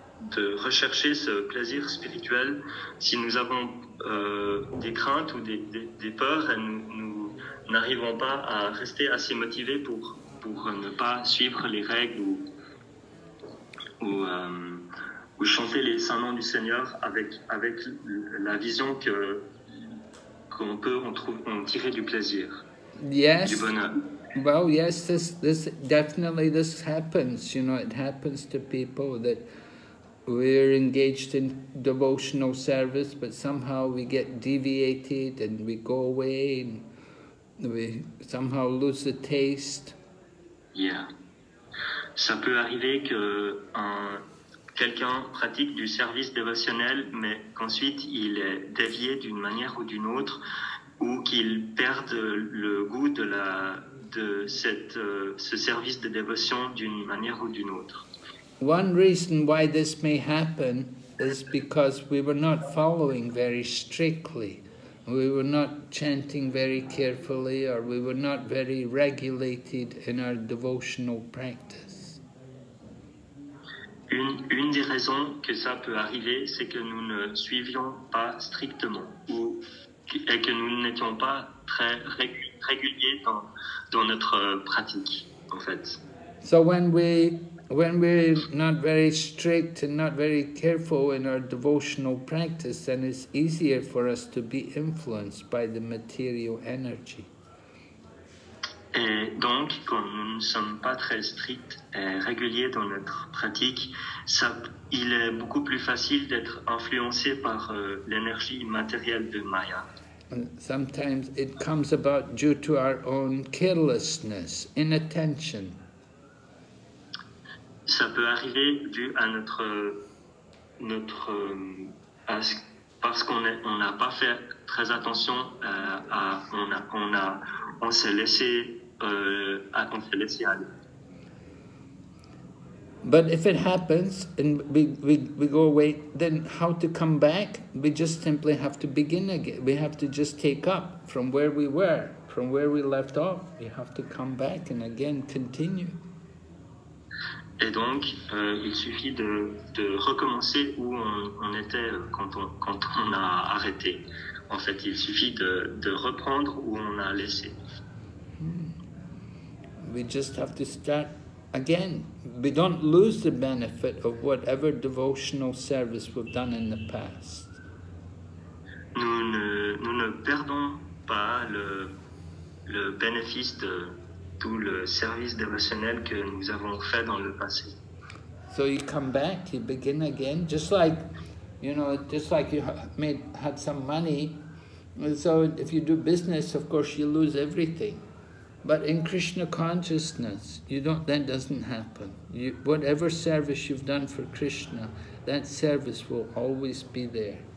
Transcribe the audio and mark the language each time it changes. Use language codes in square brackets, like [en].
[fr] de rechercher ce plaisir spirituel, si nous avons des craintes ou des peurs et nous n'arrivons pas à rester assez motivés pour ne pas suivre les règles ou chanter les saints noms du Seigneur avec la vision qu'on peut tirer du plaisir. [en] Yes. [fr] Du bonheur. [en] Well, yes, this happens. You know, it happens to people that we're engaged in devotional service, but somehow we get deviated and we go away and we somehow lose the taste. Yeah. [fr] Ça peut arriver que quelqu'un pratique du service dévotionnel, mais qu'ensuite il est dévié d'une manière ou d'une autre, ou qu'il perde le goût de ce service de dévotion d'une manière ou d'une autre. [en] One reason why this may happen is because we were not following very strictly. We were not chanting very carefully, or we were not very regulated in our devotional practice. [fr] Une des raisons que ça peut arriver, c'est que nous ne suivions pas strictement ou et que nous n'étions pas très réguliers dans notre pratique, en fait. [en] So when we're not very strict and not very careful in our devotional practice, then it's easier for us to be influenced by the material energy. [fr] Et donc, quand nous ne sommes pas très stricts et réguliers dans notre pratique, ça, il est beaucoup plus facile d'être influencé par l'énergie matérielle de Maya. [en] And sometimes it comes about due to our own carelessness, inattention. [fr] Ça peut arriver dû à parce qu'on est, on n'a pas fait très attention à on s'est laissé [en] But if it happens and we go away, then how to come back? We just simply have to begin again. We have to just take up from where we were, from where we left off. We have to come back and again continue. [fr] Et donc, il suffit de recommencer où on était quand on a arrêté. En fait, il suffit de reprendre où on a laissé. [en] We just have to start again. We don't lose the benefit of whatever devotional service we've done in the past. Nous ne perdons pas le bénéfice de tout le service dévotionnel que nous avons fait dans le passé. So you come back, you begin again, just like you had some money. So if you do business, of course you lose everything. But in Krishna consciousness, that doesn't happen. Whatever service you've done for Krishna, that service will always be there.